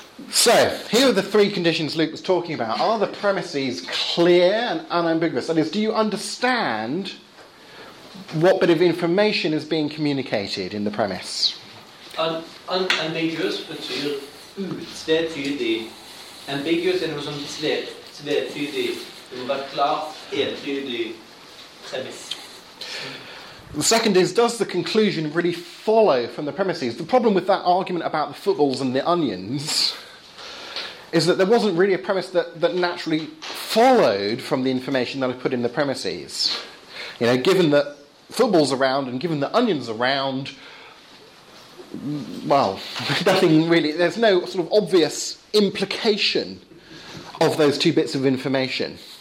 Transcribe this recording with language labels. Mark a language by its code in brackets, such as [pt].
[en] So, here are the three conditions Luke was talking about. Are the premises clear and unambiguous? That is, do you understand what bit of information is being communicated in the premise? [no] Ambiguous betyr utvetydig. [sv] Ambiguous är något som tvetydig. Det måste vara klart, entydig premiss. [en] The second is, does the conclusion really follow from the premises? The problem with that argument about the footballs and the onions is that there wasn't really a premise that naturally followed from the information that I put in the premises. You know, given that football's around and given the onions around, well, nothing really, there's no sort of obvious implication of those two bits of information.